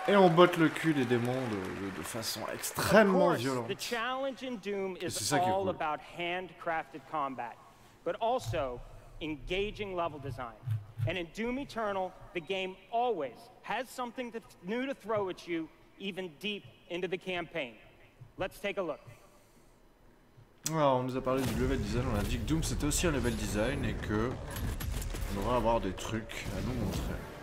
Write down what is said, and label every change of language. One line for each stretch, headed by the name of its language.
French: Et on botte le cul des démons de façon extrêmement violente.
English: The challenge in Doom is all about handcrafted combat, but also engaging level design. And in Doom Eternal, the game always has something new to throw at you. Even deep into the campaign. Let's take a look.
French: Alors, on nous a parlé du level design, on a dit que Doom c'était aussi un level design et que on devrait avoir des trucs à nous montrer.